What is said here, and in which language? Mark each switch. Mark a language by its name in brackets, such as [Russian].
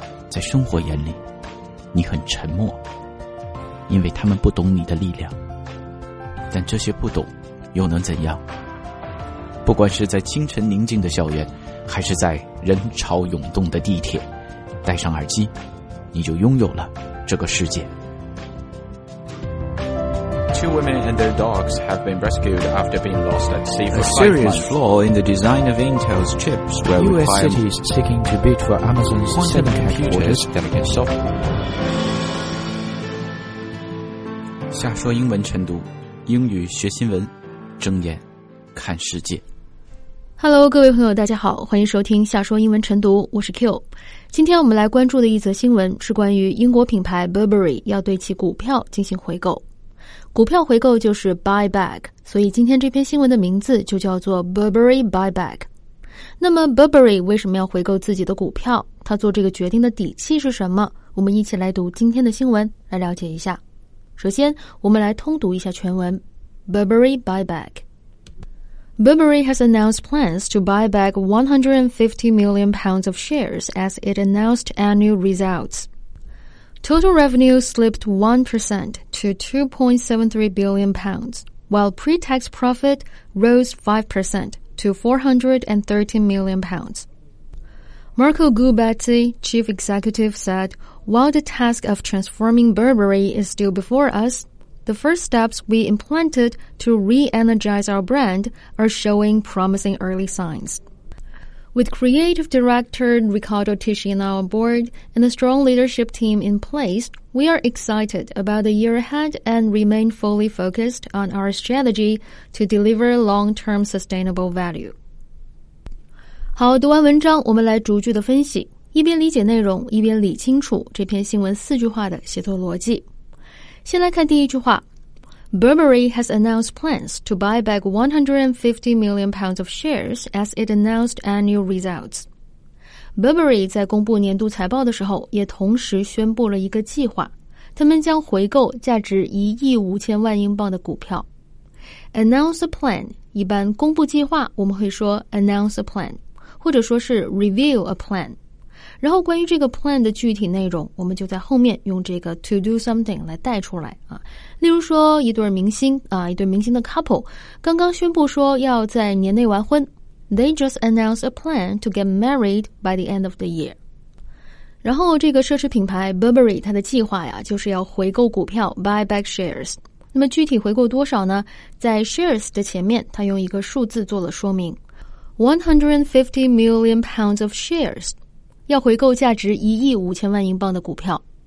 [Chinese] 在生活眼里，你很沉默，因为他们不懂你的力量。但这些不懂又能怎样？不管是在清晨宁静的校园，还是在人潮涌动的地铁，戴上耳机，你就拥有了这个世界。 [English] Two women and their dogs have been rescued after being lost at sea for 5 months. A serious flaw in the design of Intel's chips where U.S. cities seeking to bid for Amazon's quantum computers that can solve. [Chinese] 下说英文晨读，英语学新闻，睁眼看世界。 Hello， 各位朋友，大家好，欢迎收听下说英文晨读，我是 Q。今天我们来关注的一则新闻是关于英国品牌 Burberry 要对其股票进行回购。股票回购就是 buyback， 所以今天这篇新闻的名字就叫做 Burberry buyback。那么 Burberry 为什么要回购自己的股票？他做这个决定的底气是什么？我们一起来读今天的新闻，来了解一下。首先，我们来通读一下全文 ：Burberry buyback。 [English] Burberry has announced plans to buy back 150 million pounds of shares as it announced annual results. Total revenue slipped 1% to £2.73 billion, while pre-tax profit rose 5% to £413 million. Marco Gubetti, chief executive, said, While the task of transforming Burberry is still before us, the first steps we implemented to re-energize our brand are showing promising early signs. With creative director Riccardo Ticino on board and a strong leadership team in place, we are excited about the year ahead and remain fully focused on our strategy to deliver long-term sustainable value. [Chinese] 好，读完文章，我们来逐句的分析，一边理解内容，一边理清楚这篇新闻四句话的写作逻辑。先来看第一句话。 [English] Burberry has announced plans to buy back 150 million pounds of shares as it announced annual results. [Chinese] Burberry 在公布年度财报的时候也同时宣布了一个计划，他们将回购价值1亿5000万英镑的股票。 Announce a plan, 一般公布计划我们会说 announce a plan, 或者说是 reveal a plan。然后关于这个 plan 的具体内容，我们就在后面用这个 to do something 来带出来啊。例如说一对明星啊，一对明星的 couple 刚刚宣布说要在年内完婚， [English] They just announced a plan to get married by the end of the year。 [Chinese] 然后这个奢侈品牌 Burberry 它的计划呀，就是要回购股票 buy back shares。那么具体回购多少呢？在 shares 的前面它用一个数字做了说明， [English] 150 million pounds of shares， [Chinese] 要回购价值1亿5000万英镑的股票。